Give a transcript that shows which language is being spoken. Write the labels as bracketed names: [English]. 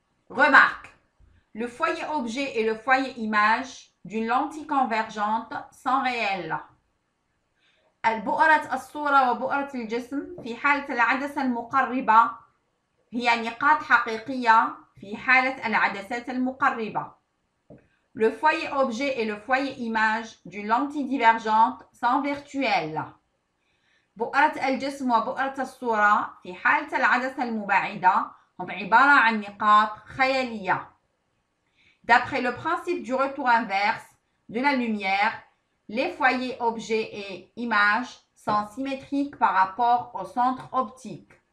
[French] Remarque, le foyer objet et le foyer image d'une lentille convergente sans réel. [Arabic] البؤرة الصورة وبؤرة الجسم في حالة العدسة المقربة هي نقاط حقيقية في حالة العدسات المقربة. [French] Le foyer objet et le foyer image d'une lentille divergente sans virtuel. [Arabic] بؤرة الجسم وبؤرة الصورة في حالة العدسة المبعدة هم عبارة عن نقاط خيالية. [French] D'après le principe du retour inverse de la lumière, les foyers objets et images sont symétriques par rapport au centre optique.